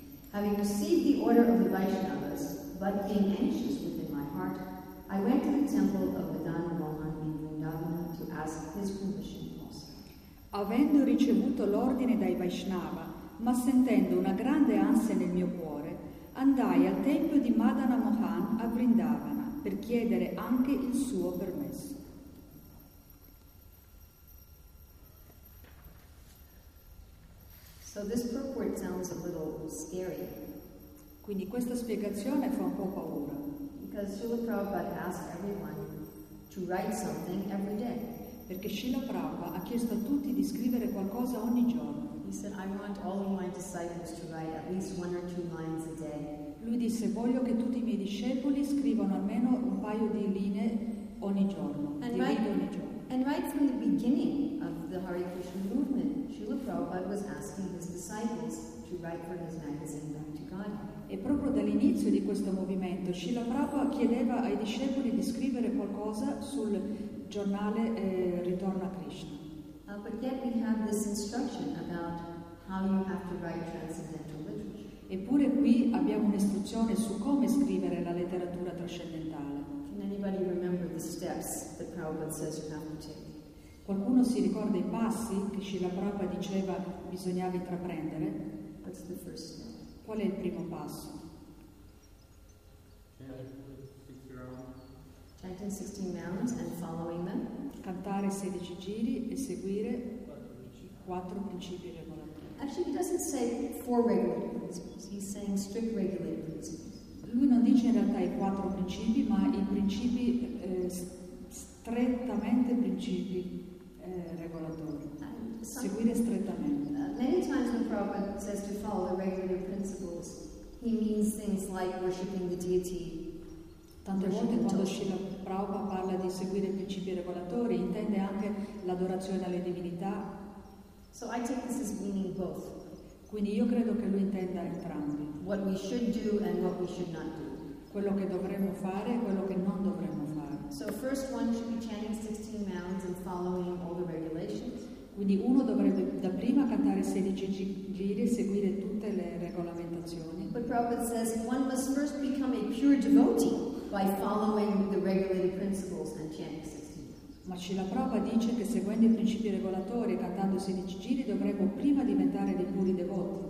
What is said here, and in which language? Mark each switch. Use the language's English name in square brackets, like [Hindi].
[English] Having received the order of the Vaishnavas, but being anxious within my heart, I went to the temple of Vedana Mohan in Vrindavana to ask his permission also. [Italian] Avendo ricevuto l'ordine dai Vaishnava, ma sentendo una grande ansia nel mio cuore, andai al tempio di Madana Mohan a Vrindavana per chiedere anche il suo permesso. [English] So this purport sounds a little scary. [Italian] Quindi questa spiegazione fa un po' paura. [English] Because Srila Prabhupada asked everyone to write something every day. [Italian] Perché Srila Prabhupada ha chiesto a tutti di scrivere qualcosa ogni giorno. [English] He said, "I want all of my disciples to write at least one or two lines a day." [Italian] Lui disse, "Voglio che tutti i miei discepoli scrivano almeno un paio di linee ogni giorno." [English] And right from the beginning of the Hare Krishna movement, Srila Prabhupada was asking his disciples to write for his magazine Back to God. [Italian] E proprio dall'inizio di questo movimento, Srila Prabhupada chiedeva ai discepoli di scrivere qualcosa sul giornale Ritorno a Krishna. [English] But yet we have this instruction about how you have to write transcendental literature. [Italian] Eppure qui abbiamo un'istruzione su come scrivere la letteratura trascendentale. [English] Can anybody remember the steps that Prabhupada says you have to take? [Italian] Qualcuno si ricorda i passi che Srila Prabhupada diceva bisognava intraprendere? [English] What's the first step? [Italian] Qual è il primo passo? [English] Chanting 16 rounds and following them. [Italian] Cantare 16 giri e seguire quattro principi regolatori. [English] Actually, he doesn't say four regulative principles. He's saying strict regulative principles. [Italian] Lui non dice in realtà i quattro principi, ma i principi strettamente principi regolatori. Seguire strettamente. [English] Many times when Prabhupada says to follow the regular principles, he means things like worshipping the deity. [Italian] Tante volte quando Srila Prabhupada parla di seguire i principi regolatori, intende anche l'adorazione alle divinità. [English] So I take this as meaning both. [Italian] Quindi io credo che lui intenda entrambi. [English] What we should do and what we should not do. [Italian] Quello che dovremmo fare e quello che non dovremmo fare. [English] So first one should be chanting 16 mounds and following all the regulations. [Italian] Quindi uno dovrebbe da prima cantare 16 giri e seguire tutte le regolamentazioni. [English] But Prabhupada says one must first become a pure devotee by following the regulated principles and chanting 16. [Italian] Ma Srila Prabhupada dice che seguendo i principi regolatori e cantando 16 giri dovremmo prima diventare dei puri devoti.